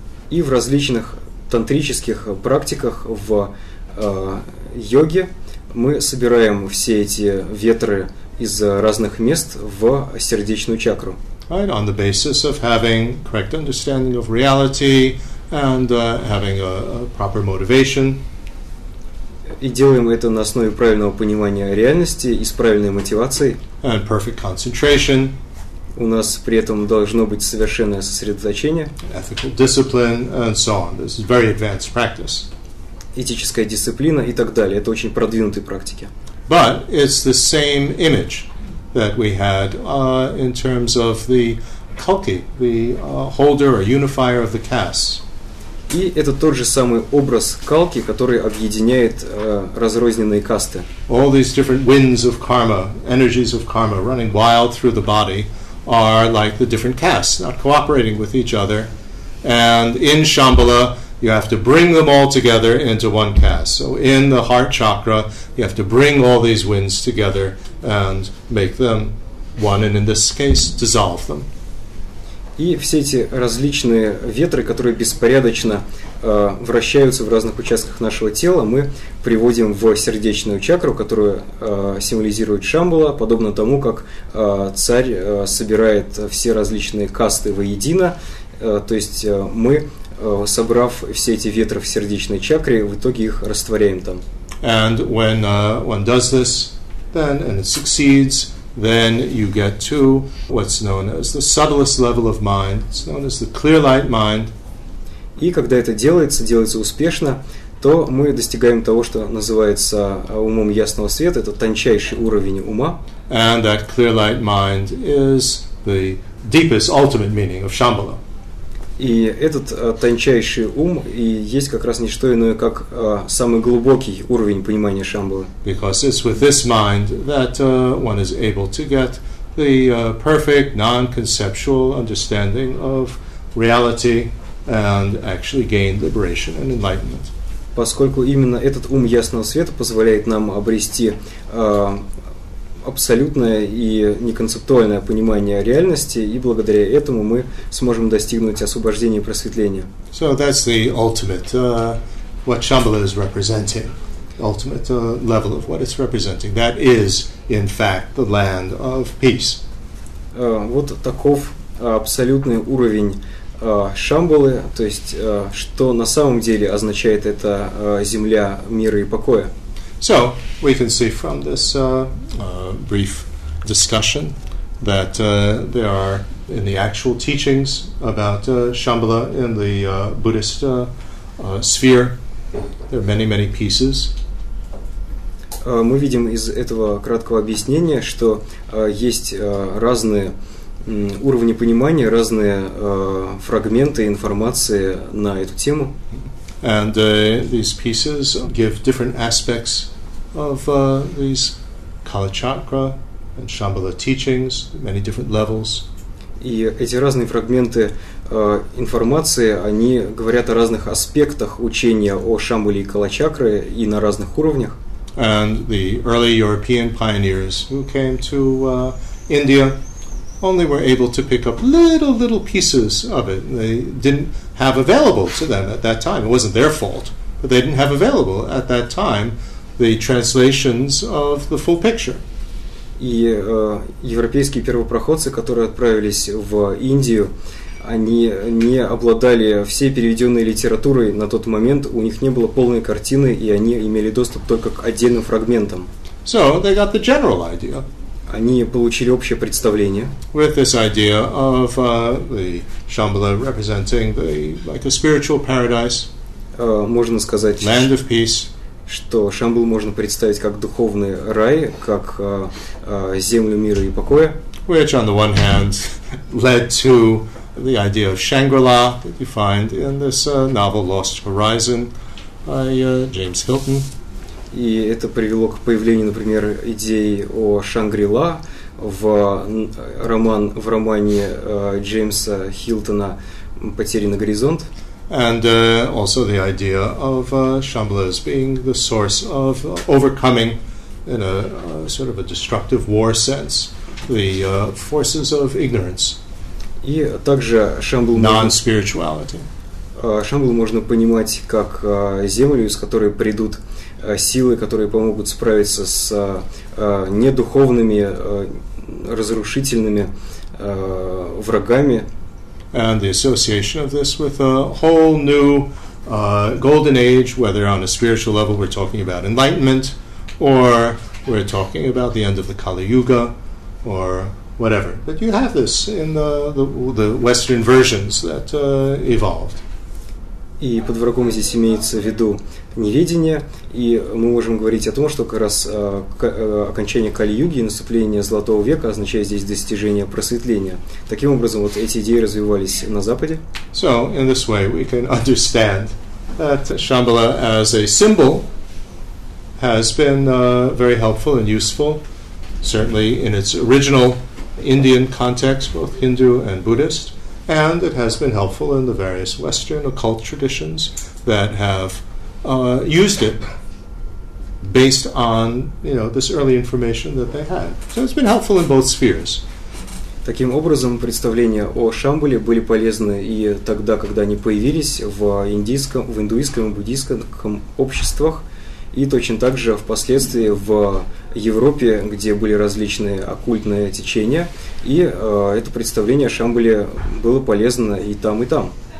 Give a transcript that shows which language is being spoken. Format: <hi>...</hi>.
<ru>И в различных тантрических практиках в йоге мы собираем все эти ветры из разных мест в сердечную чакру.</ru> <en>Right, on the basis of having correct understanding of reality and having a proper motivation.</en> <ru>И делаем это на основе правильного понимания реальности и с правильной мотивацией.</ru> <en>And perfect concentration.</en> <ru>У нас при этом должно быть совершенное сосредоточение.</ru> <en>Ethical discipline and so on. This is very advanced practice.</en> <ru>Этическая дисциплина и так далее. Это очень продвинутые практики.</ru> <en>But it's the same image that we had in terms of the Kalki, the holder or unifier of the castes.</en> <ru>И это тот же самый образ Калки, который объединяет разрозненные касты.</ru> <en>All these different winds of karma, energies of karma running wild through the body are like the different castes, not cooperating with each other. And in Шамбала, you have to bring them all together into one caste. So in the heart chakra, you have to bring all these winds together and make them one, and in this case, dissolve them.</en> <ru>и все эти различные ветры, которые беспорядочно вращаются в разных участках нашего тела, мы приводим в сердечную чакру, которую символизирует Шамбала, подобно тому, как царь собирает все различные касты воедино, то есть мы, собрав все эти ветры в сердечной чакре, в итоге их растворяем там.</ru> <en>And when one does this, then, and it succeeds, then you get to what's known as the subtlest level of mind. It's known as the clear light mind.</en> <ru>И когда это делается, делается успешно, то мы достигаем того, что называется умом ясного света, это тончайший уровень ума.</ru> <en>And that clear light mind is the deepest, ultimate meaning of Shambhala.</en> <ru>И этот тончайший ум и есть как раз не что иное, как самый глубокий уровень понимания Шамбалы.</ru> <en>Because it's with this mind that one is able to get the perfect non-conceptual understanding of reality and actually gain liberation and enlightenment.</en> <ru>Поскольку именно этот ум ясного света позволяет нам обрести абсолютное и неконцептуальное понимание реальности, и благодаря этому мы сможем достигнуть освобождения и просветления.</ru> <en>So that's the ultimate, what Shambhala is representing, ultimate level of what it's representing. That is, in fact, the land of peace.</en> <ru>Вот таков абсолютный уровень Шамбалы, то есть что на самом деле означает эта земля мира и покоя.</ru> <en>So, we can see from this brief discussion that there are, in the actual teachings about Shambhala in the Buddhist sphere, there are many, many pieces.</en> <ru>Мы видим из этого краткого объяснения, что есть разные уровни понимания, разные фрагменты информации на эту тему.</ru> <en>And these pieces give different aspects of these Kalachakra and Shambhala teachings, many different levels.</en> <ru>И эти разные фрагменты информации, они говорят о разных аспектах учения о Шамбале и Калачакре и на разных уровнях.</ru> <en>And the early European pioneers who came to India only were able to pick up little pieces of it. They didn't have available to them at that time. It wasn't their fault, but they didn't have available at that time the translations of the full picture.</en> <ru>И европейские первопроходцы, которые отправились в Индию, они не обладали всей переведенной литературой на тот момент, у них не было полной картины, и они имели доступ только к отдельным фрагментам.</ru> <en>So they got the general idea.</en> <ru>Они получили общее представление.</ru> <en>With this idea of the Shambhala representing the like a spiritual paradise.</en> <ru>Можно сказать,</ru> <en>land of peace.</en> <ru>Что Шамбалу можно представить как духовный рай, как землю мира и покоя.</ru> <en>Which, on the one hand, led to the idea of Shangri-La that you find in this novel Lost Horizon by James Hilton.</en> <ru>И это привело к появлению, например, идеи о Шангри-Ла в романе Джеймса Хилтона «Потерянный горизонт».</ru> <en>And also the idea of Shambhala as being the source of overcoming, in a sort of a destructive war sense, the forces of ignorance.</en> <ru>И также Шамбалу</ru> <en>non-spirituality.</en> <ru>Шамбалу можно понимать как землю, из которой придут силы, которые помогут справиться с недуховными, разрушительными врагами.</ru> <en>And the association of this with a whole new golden age, whether on a spiritual level we're talking about enlightenment, or we're talking about the end of the Kali Yuga, or whatever. But you have this in the Western versions that evolved.</en> <ru>И под врагом здесь имеется в виду неведение, и мы можем говорить о том, что как раз окончание Кали-Юги и наступление Золотого века означает здесь достижение просветления. Таким образом, вот эти идеи развивались на Западе.</ru> <en>So, in this way, we can understand that Shambhala as a symbol has been very helpful and useful, certainly in its original Indian context, both Hindu and Buddhist. And it has been helpful in the various Western occult traditions that have used it based on, you know, this early information that they had. So it's been helpful in both spheres.</en> <ru>Таким образом, представления о Шамбале были полезны и тогда, когда они появились в индийском, в индуистском и буддийском обществах, и точно так же впоследствии в Европе, где были различные оккультные течения, и это представление о Шамбале было полезно и там, и там.</ru>